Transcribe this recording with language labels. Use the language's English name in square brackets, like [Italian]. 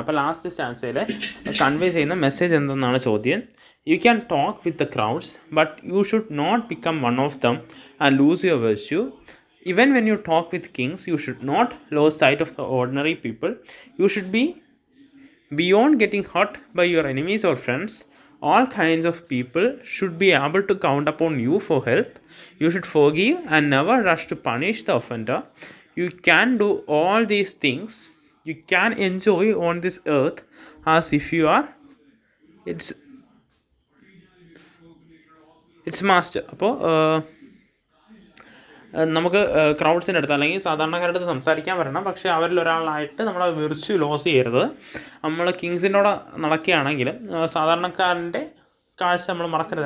[Malayalam] അപ്പോൾ last സ്റ്റാൻസയിൽ convey ചെയ്യുന്ന message എന്തെന്നാണ് ചോദ്യം. [English] You can talk with the crowds but you should not become one of them and lose your virtue. Even when you talk with kings you should not lose sight of the ordinary people. You should be beyond getting hurt by your enemies or friends. All kinds of people should be able to count upon you for help. You should forgive and never rush to punish the offender. You can do all these things. You can enjoy on this earth as if you are its master. [Malayalam] Appo നമുക്ക് ക്രൗഡ്സിൻ്റെ അടുത്ത് അല്ലെങ്കിൽ സാധാരണക്കാരുടെ അടുത്ത് സംസാരിക്കാൻ വരണം. പക്ഷേ അവരിൽ ഒരാളായിട്ട് നമ്മളെ വിർച്യു ലോസ് ചെയ്യരുത്. നമ്മൾ കിങ്സിനോട് നടക്കുകയാണെങ്കിൽ സാധാരണക്കാരൻ്റെ കാഴ്ച നമ്മൾ മറക്കരുത്.